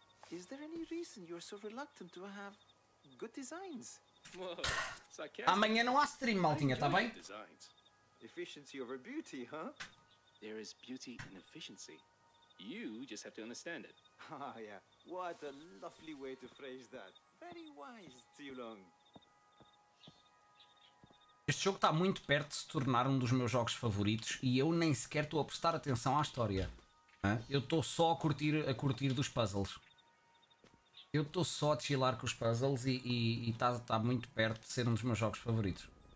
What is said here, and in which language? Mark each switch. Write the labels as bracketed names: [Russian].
[English] Is there any reason you're so reluctant to have good designs? [Portuguese] Amanhã não há stream, maltinha, está bem? [English] Efficiency over beauty, huh? There is beauty in efficiency. You just have to understand it. Ah, oh, yeah. What a lovely way to phrase that. Very wise, Tsilong. [Portuguese] Este jogo está muito perto de se tornar um dos meus jogos favoritos e eu nem sequer estou a prestar atenção à história. Eu estou só a curtir dos puzzles. Eu estou só a chilar com os puzzles e está muito perto de ser um dos meus jogos favoritos.